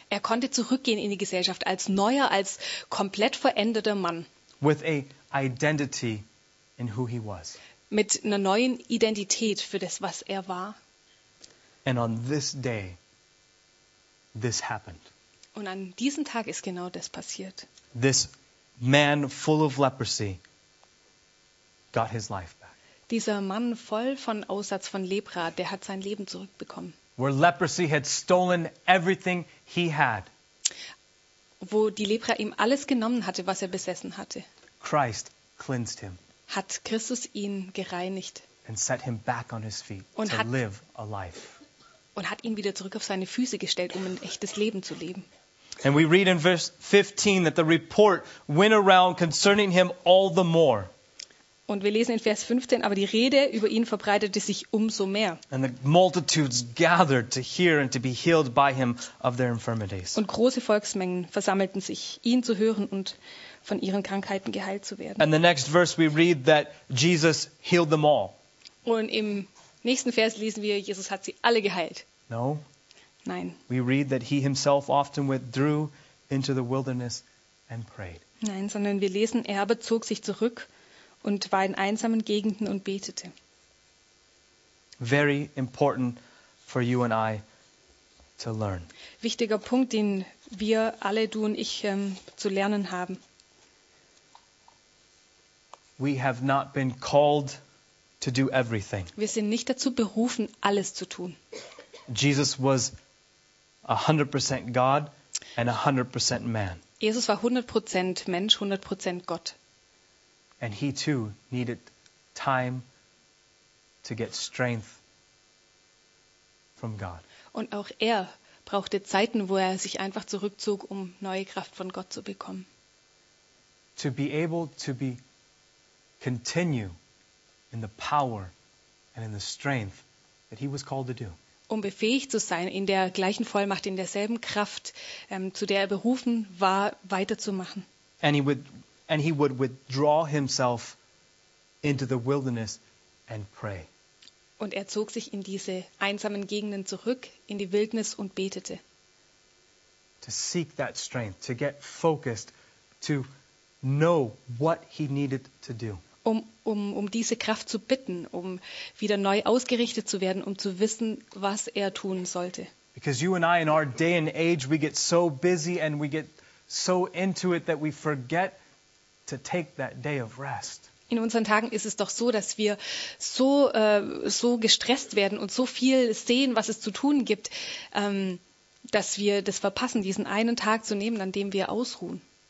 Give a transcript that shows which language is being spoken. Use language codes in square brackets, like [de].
[de] Er konnte zurückgehen in die Gesellschaft als neuer, als komplett veränderter Mann. [en] With a identity in who he was. [de] Mit einer neuen Identität für das, was er war. [en] And on this day, this happened. [de] Und an diesem Tag ist genau das passiert. [en] This man full of leprosy got his life back. [de] Dieser Mann voll von Aussatz von Lepra, der hat sein Leben zurückbekommen. [en] Where leprosy had stolen everything he had. [de] Wo die Lepra ihm alles genommen hatte, was er besessen hatte. [en] Christ cleansed him. [de] Hat Christus ihn gereinigt [en] and set him back on his feet [de] und [en] to live a life. [de] Und hat ihn wieder zurück auf seine Füße gestellt, um ein echtes Leben zu leben. [en] And we read in verse 15 that the report went around concerning him all the more. [de] Und wir lesen in Vers 15, aber die Rede über ihn verbreitete sich umso mehr. [en] And the multitudes gathered to hear and to be healed by him of their infirmities. [de] Und große Volksmengen versammelten sich, ihn zu hören und von ihren Krankheiten geheilt zu werden. [en] And the next verse we read that Jesus healed them all. [de] Und im nächsten Vers lesen wir, Jesus hat sie alle geheilt. [en] No. [de] Nein. [en] We read that he himself often withdrew into the wilderness and prayed. [de] Nein, sondern wir lesen, er aber zog sich zurück und war in einsamen Gegenden und betete. [en] Very important for you and I to learn. [de] Wichtiger Punkt, den wir alle, du und ich, zu lernen haben. [en] We have not been called to do everything. [de] Wir sind nicht dazu berufen, alles zu tun. [en] Jesus was 100% God and 100% man. [de] Jesus war 100% Mensch, 100% Gott. [en] And he too needed time to get strength from God. [de] Und auch er brauchte Zeiten, wo er sich einfach zurückzog, um neue Kraft von Gott zu bekommen. [en] To be able to be continue in the power and in the strength that he was called to do. [de] Um befähigt zu sein, in der gleichen Vollmacht, in derselben Kraft, zu der er berufen war, weiterzumachen. [en] And he would withdraw himself into the wilderness and pray. [de] Und er zog sich in diese einsamen Gegenden zurück, in die Wildnis und betete. [en] To seek that strength, to get focused, to know what he needed to do. [de] Um diese Kraft zu bitten, um wieder neu ausgerichtet zu werden, um zu wissen, was er tun sollte. [en] Because you and I in our day and age, we get so busy and we get so into it that we forget to take that day of rest. [de] In unseren Tagen ist es doch so, dass wir so so gestresst werden und so viel sehen, was es zu tun gibt, dass wir das verpassen, diesen einen Tag zu nehmen, an dem wir ausruhen.